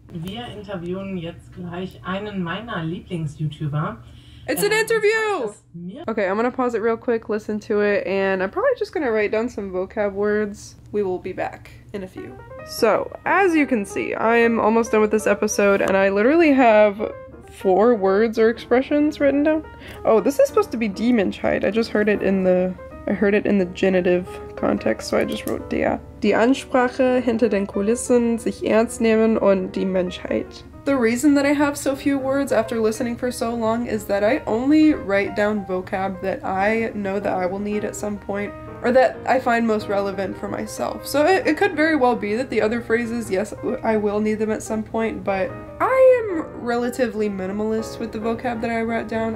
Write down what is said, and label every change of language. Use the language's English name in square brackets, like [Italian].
[German] Wir interviewen jetzt gleich einen meiner Lieblings-YouTuber. [English] It's an interview! Okay, I'm gonna pause it real quick, listen to it, and I'm probably just gonna write down some vocab words. We will be back in a few. So, as you can see, I am almost done with this episode, and I literally have 4 words or expressions written down. Oh, this is supposed to be Diemenschheit. I just heard it in the genitive context, so I just wrote der. [German] Die Ansprache hinter den Kulissen, sich ernst nehmen und die Menschheit. [English] The reason that I have so few words after listening for so long is that I only write down vocab that I know that I will need at some point or that I find most relevant for myself. So it could very well be that the other phrases, yes, I will need them at some point, but I am relatively minimalist with the vocab that I write down.